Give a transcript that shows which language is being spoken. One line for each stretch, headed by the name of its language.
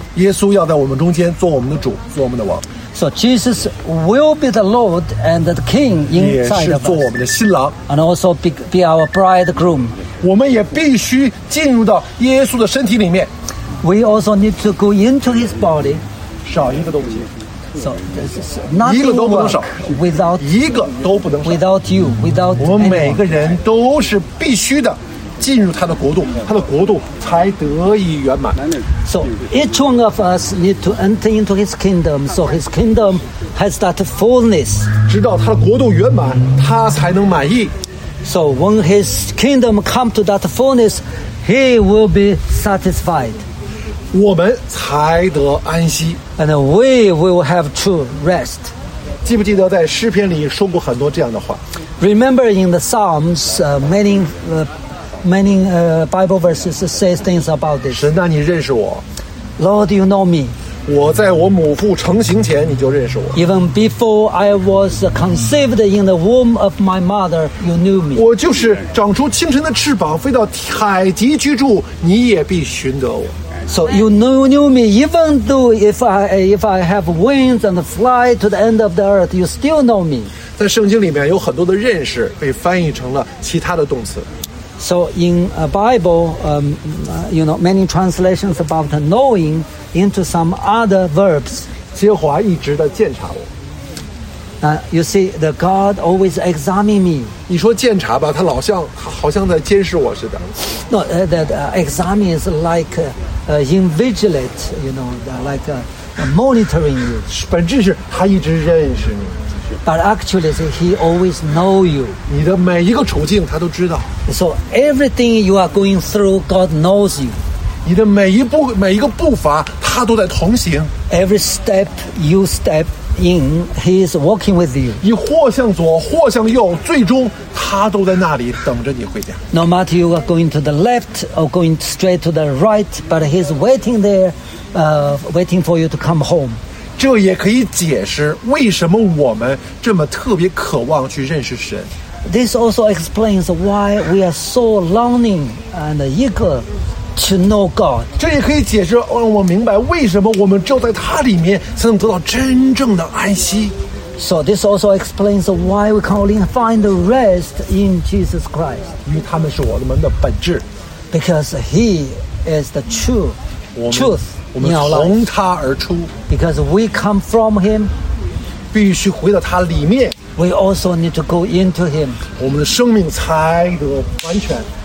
Chinese: 耶稣要在我们中间做我们的主，做我们的王。
English: So Jesus will be the Lord and the King inside of us.
Chinese: 也是做我们的新郎。
English: And also be our bridegroom.
Chinese: 我们也必须进入到耶稣的身体里面。
English: We also need to go into His body.
Chinese: 少一个都不行。
English: So, this is nothing
Chinese: 一个都不能少
English: without,
Chinese: 一个都不能少
English: without you, without
Chinese: 我们每个人都是必须的进入他的国度他的国度才得以圆满
English: So each one of us need to enter into his kingdom So his kingdom has that fullness
Chinese: 直到他的国度圆满他才能满意
English: So when his kingdom comes to that fullness He will be satisfied
Chinese: 我们才得安息
English: And we will have true rest
Chinese: 记不记得在诗篇里说过很多这样的话
English: Remember in the Psalms many Bible verses say things about this
Chinese: 神啊你认识我
English: Lord you know me
Chinese: 我在我母腹成形前你就认识我
English: Even before I was conceived in the womb of my mother you knew me
Chinese: 我就是长出清晨的翅膀飞到海极居住你也必寻得我
English: So you knew me, even though if I have wings and fly to the end of the earth, you still know me.
Chinese: 在圣经里面有很多的认识被翻译成了其他的动词。
English: So in a Bible, you know, many translations about knowing into some other verbs.
Chinese: 耶和华一直的鉴察我。
English: You see, the God always examine me.
Chinese: 你说鉴察吧，他好像在监视我似的。
English: No, that examine is like invigilate, you know, like monitoring you.
Chinese: 本质是他一直认识你。
English: But actually, he always know you.
Chinese: 你的每一个处境，他都知道。
English: So everything you are going through, God knows you.
Chinese: 你的每一个步伐，他都在同行。
English: Every step you step. In, he is walking with you.
Chinese: 你或向左，或向右，最终他都在那里等着你回家。
English: No matter you are going to the left or going straight to the right, but he is waiting there, waiting for you to come home.
Chinese: 这也可以解释为什么我们这么特别渴望去认识神。
English: This also explains why we are so longing and eager. To know God.
Chinese: 这也可以解释让我明白为什么我们只有在他里面才能得到真正的安息。
English: So this also explains why we can only find the rest in Jesus Christ.
Chinese: 因为他们是我们的本质。
English: Because he is the true truth.
Chinese: 我们从他而出。
English: Because we come from him.
Chinese: 必须回到他里面。
English: We also need to go into him.
Chinese: 我们的生命才得完全。